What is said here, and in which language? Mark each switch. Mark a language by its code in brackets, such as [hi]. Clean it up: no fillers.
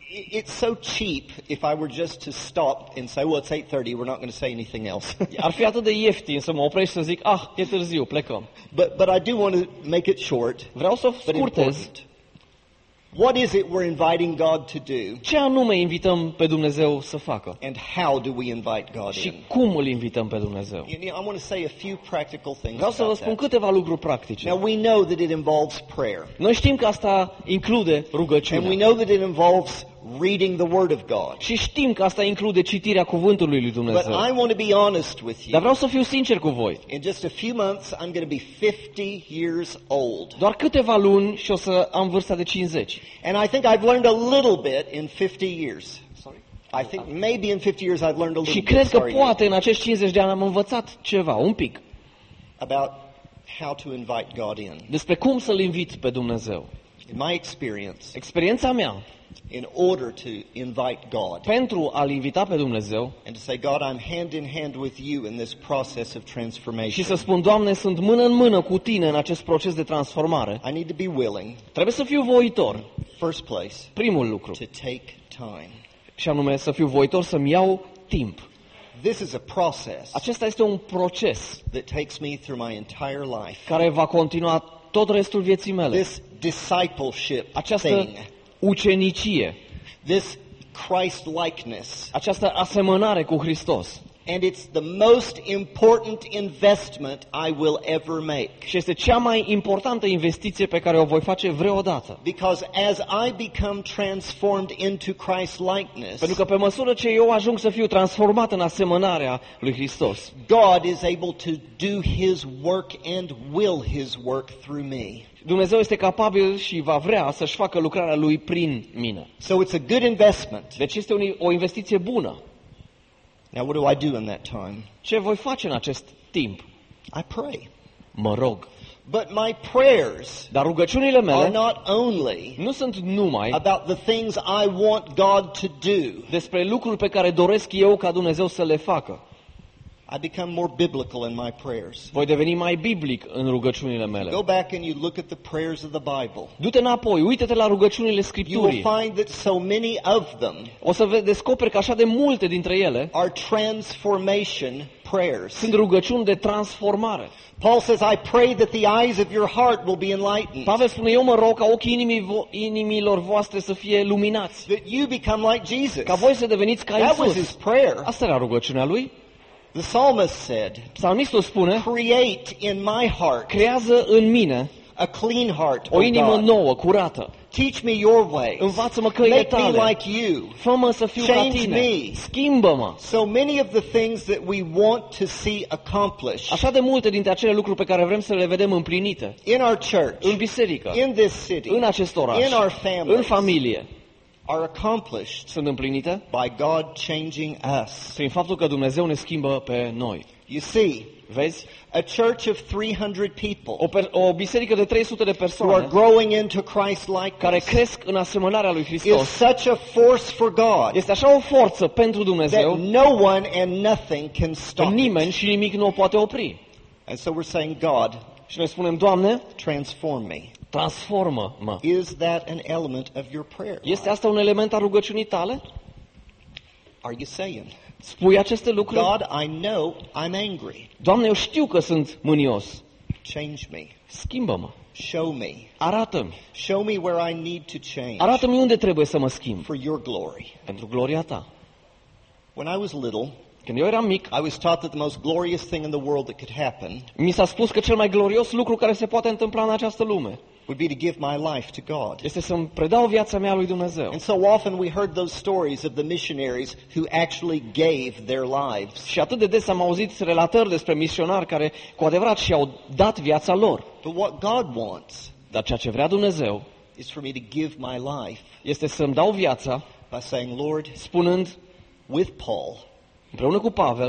[en] It's so cheap if I were just to stop and say, well, it's 8:30, we're not going to say anything else. [ro] Ar fi atât de ieftin să mă oprești să zic, ah, e târziu, plecăm. [en] But I do want to make it short. [ro] Vreau să o scurtez. [en] What is it we're inviting God to do? [ro] Ce anume invităm pe Dumnezeu să facă? [en] And how do we invite God in? [ro] Și cum îl invităm pe Dumnezeu? [en] I want to say a few practical things. [ro] Vreau să vă spun câteva lucruri practice. [en] Now we know that it involves prayer. [ro] Noi știm că asta include rugăciune. [en] And we know that it involves reading the word of God. [ro] Și știm că asta include citirea cuvântului lui Dumnezeu. [en] But I want to be honest with you. [ro] Dar vreau să fiu sincer cu voi. [en] In just a few months I'm going to be 50 years old. [ro] Doar câteva luni și o să am vârsta de 50. [en] And I think I've learned a little bit in 50 years. Sorry. I think maybe in 50 years I've learned a little [ro] bit. Și cred că poate în acești 50 de ani am învățat ceva, un pic. [en] About how to invite God in. [ro] Despre cum să-l invit pe Dumnezeu. [en] In my experience. [ro] Experiența mea. [en] In order to invite God. [ro] Pentru a-l invita pe Dumnezeu. [en] And to say, God, I'm hand in hand with you in this process of transformation. [ro] Și să spun, Doamne, sunt mână în mână cu tine în acest proces de transformare. [en] I need to be willing. [ro] Trebuie să fiu voitor. [en] First place. [ro] Primul lucru. [en] To take time. [ro] Și anume să fiu voitor să-mi iau timp. [en] This is a process. [ro] Acesta este un proces [en] that takes me through my entire life. [ro] Care va continua tot restul vieții mele. [en] This discipleship [ro] thing. Ucenicie. [en] This Christ likeness. [ro] Această asemănare cu Hristos. [en] And it's the most important investment I will ever make. [ro] Și este cea mai importantă investiție pe care o voi face vreodată. [en] Because as I become transformed into Christ likeness. [ro] Pentru că pe măsură ce eu ajung să fiu transformat în asemănarea lui Hristos. [en] God is able to do his work and will his work through me. [ro] Dumnezeu este capabil și va vrea să-și facă lucrarea lui prin mine. [en] So it's a good investment. [ro] Deci este o investiție bună. [en] Now what do I do in that time? [ro] Ce voi face în acest timp? [en] I pray. [ro] Mă rog. [en] But my prayers, [ro] dar rugăciunile mele, [en] are not only, [ro] nu sunt numai [en] about the things I want God to do. [ro] Despre lucruri pe care doresc eu ca Dumnezeu să le facă. [en] I become more biblical in my prayers. [ro] Voi deveni mai biblic în rugăciunile mele. [en] Go back and you look at the prayers of the Bible. [ro] Du-te înapoi, uită-te la rugăciunile Scripturii. [en] You will find that so many of them. [ro] O să descoperi că așa de multe dintre ele [en] are transformation prayers. [ro] Sunt rugăciuni de transformare. [en] Paul says, I pray that the eyes of your heart will be enlightened. [ro] Pavel spune, eu mă rog ca ochii inimilor voastre să fie luminați. [en] That you become like Jesus. [ro] Ca voi să deveniți ca Isus. [en] That was his prayer. [ro] Asta era rugăciunea lui. [en] The psalmist said, [ro] psalmistul spune, [en] create in my heart, [ro] creează în mine [en] a clean heart, [ro] o inimă nouă, curată. [en] Teach me your ways. [ro] Învață-mă căile [en] tale. Make me like you. [ro] Fă-mă să fiu [en] Change [ro] ca tine. [en] Me. [ro] Schimbă-mă. [en] So many of the things that we want to see accomplished. [ro] Așa de multe dintre acele lucruri pe care vrem să le vedem împlinite. [en] In our church. [ro] În biserică. [en] In this city. [ro] În acest oraș. [en] In our families. [ro] În familie. [en] are accomplished [ro] sunt împlinite [en] by God changing us. [ro] Prin faptul că Dumnezeu ne schimbă pe noi. [en] You see, [ro] vezi? [en] A church of 300 people [ro] o biserică de 300 de persoane [en] who are growing into Christ-likeness, [ro] care cresc în asemănarea lui Hristos, [en] is such a force for God, [ro] este așa o forță pentru Dumnezeu, [en] that no one and nothing can stop. [ro] Nimeni și nimic nu o poate opri. [en] And so we're saying, God, [ro] și noi spunem, Doamne, [en] transform me. [ro] Transformă-mă. [en] Is that an element of your prayer? [ro] Este asta un element al rugăciunii tale? [en] Are you saying? [ro] Spui aceste lucruri? [en] God, I know I'm angry. [ro] Doamne, eu știu că sunt mânios. [en] Change me. [ro] Schimbă-mă. [en] Show me. [ro] Arată-mi. [en] Show me where I need to change. [ro] Arată-mi unde trebuie să mă schimb. [en] For your glory. [ro] Pentru gloria ta. [en] When I was little, [ro] când eu eram mic, [en] I was taught that the most glorious thing in the world that could happen, [ro] mi s-a spus că cel mai glorios lucru care se poate întâmpla în această lume, [en] would be to give my life to God. [ro] Este să-mi predau viața mea lui Dumnezeu. [en] And so often we heard those stories of the missionaries who actually gave their lives. [ro] Și atât de des am auzit relatări despre misionari care cu adevărat și-au dat viața lor. [en] But what God wants, [ro] dar ceea ce vrea Dumnezeu, [en] is for me to give my life, [ro] este să-mi dau viața, [en] by saying, Lord, [ro] spunând, [en] with Paul, [ro] împreună cu Pavel,